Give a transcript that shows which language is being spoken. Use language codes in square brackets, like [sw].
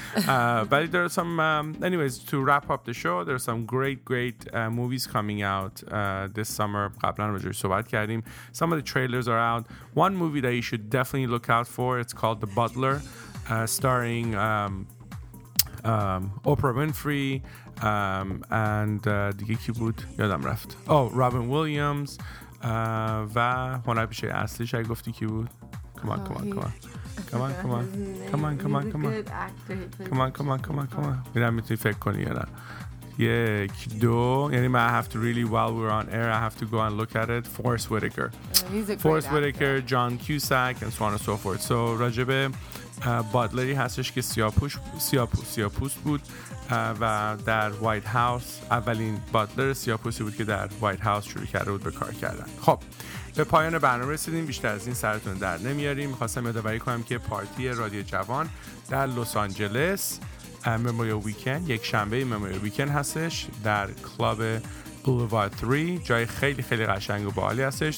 [en] but there are some anyways, to wrap up the show, there are some great movies coming out this summer. [fa] قبلا رجوع صحبت کردیم. [en] Some of the trailers are out. One movie that you should definitely look out for, it's called The Butler, starring Oprah Winfrey, and [fa] دیگه کی بود یادم رفت. [en] Oh, Robin Williams. [fa] و هنرپیشه اصلیش اگه گفتی کی بود؟ [en] Come on. [fa] بیرم میتونی فکر کنی یا نه. یک دو. یعنی من [en] have to really, while we're on air, I have to go and look at it. Forest Whitaker. Forest Whitaker, John Cusack, and so on and so forth. So [fa] راجب باتلری هستش که سیاپوس بود. و در وایت هاوس اولین باتلر سیاپوسی بود که در وایت هاوس شروع کرده بود به کار کردن. خب به پایان برنامه رسیدیم. بیشتر از این سرتون در نمیاریم. میخواستم یادآوری کنم که پارتی رادیو جوان در لس آنجلس مموریال ویکند، یک شنبه مموریال ویکند هستش در کلاب بولوار 3، جای خیلی خیلی قشنگ و باحالی هستش.